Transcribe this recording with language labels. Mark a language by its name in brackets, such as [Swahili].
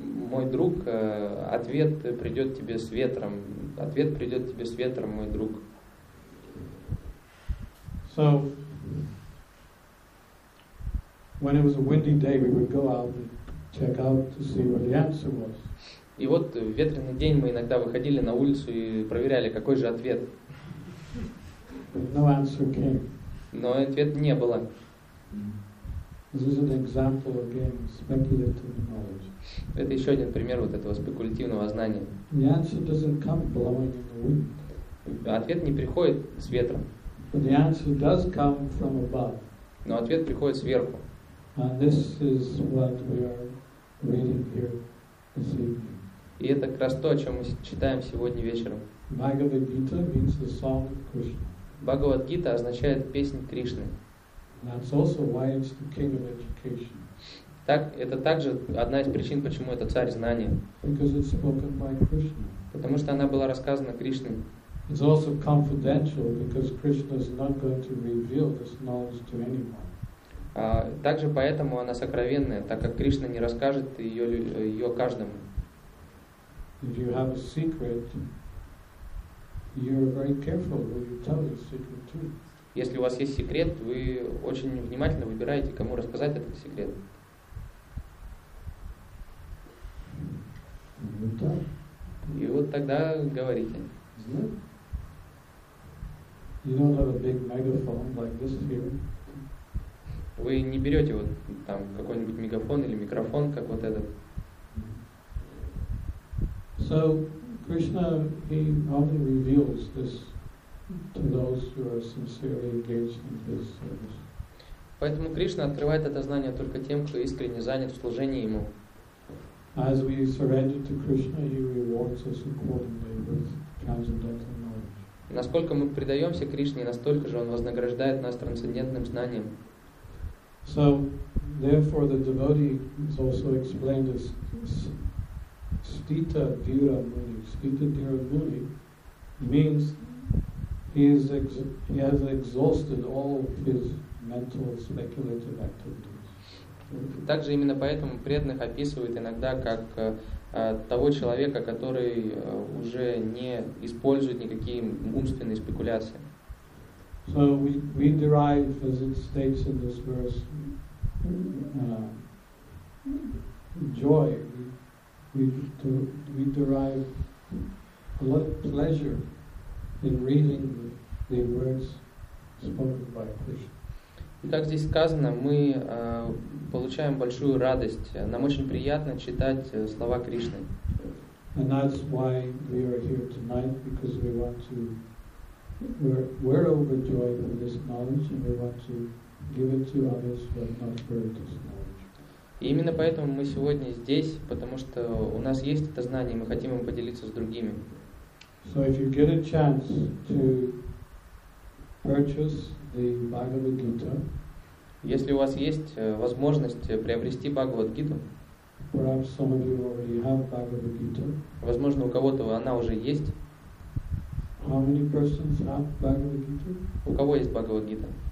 [Russian] Мой друг, ответ придет тебе с ветром. Ответ придет тебе с ветром, мой друг. [English] So, when it was a windy day, we would go out and check out to see what the answer was. [Russian] И вот в ветреный день мы иногда выходили на улицу и проверяли, какой же ответ. [English] But no answer came. [Russian] Но ответ не было. [English] This is an example again of speculative knowledge. [Russian] Это еще один пример вот этого спекулятивного знания. [English] The answer doesn't come blowing in the wind. [Russian] Ответ не приходит с ветром. [English] But the answer does come from above. [Russian] Но ответ приходит сверху. [English] And this is what we are reading here this evening. [Russian] И это как раз то, о чем мы читаем сегодня вечером. [English] Bhagavad Gita means the song of Krishna. [Russian] Bhagavad Gita означает песнь Кришны. [English] That's also why it's the king of education. [Russian] Так, это также одна из причин, почему это царь знания. [English] Because it's spoken by Krishna. [Russian] Потому что она была рассказана Кришной. [English] It's also confidential because Krishna is not going to reveal this knowledge to anyone. [Russian] Также поэтому она сокровенная, так как Кришна не расскажет ее каждому. [English] If you have a secret, you're very careful who you tell your secret to. [Russian] Если у вас есть секрет, вы очень внимательно выбираете, кому рассказать этот секрет. И вот тогда говорите. [English] You don't have a big megaphone like this here. [Russian] Вы не берете вот там какой-нибудь мегафон или микрофон, как вот этот. [English] So Krishna, he only reveals this to those who are sincerely engaged in his service. [Russian] Поэтому Кришна открывает это знание только тем, кто искренне занят в служении ему. [English] As we surrender to Krishna, he rewards us accordingly with transcendental knowledge. [Russian] Насколько мы предаемся Кришне, настолько же он вознаграждает нас трансцендентным знанием. [English] So, therefore, the devotee is also explained as sthita dhira muni. Sthita dhira muni means he has exhausted all his mental speculative activities. [Russian] Также именно поэтому преданных описывают иногда как того человека, который уже не использует никакие умственные спекуляции. [English] So we derive, as it states in this verse, joy. We derive a lot of pleasure in reading the words spoken by Krishna. [Russian] Итак, здесь сказано, мы получаем большую радость. Нам очень приятно читать слова Кришны. [English] And that's why we are here tonight, because we want to. We're overjoyed with this knowledge, and we want to give it to others who have not heard this knowledge. [Russian] И именно поэтому мы сегодня здесь, потому что у нас есть это знание, мы хотим им поделиться с другими. [English] So if you get a chance to purchase the Bhagavad Gita, [Russian] если у вас есть возможность приобрести Бхагавад Гиту, [English] perhaps some of you already have Bhagavad Gita. [Russian] Возможно, у кого-то она уже есть. [English] How many persons have Bhagavad Gita? [Russian] У кого есть Бхагавад Гита?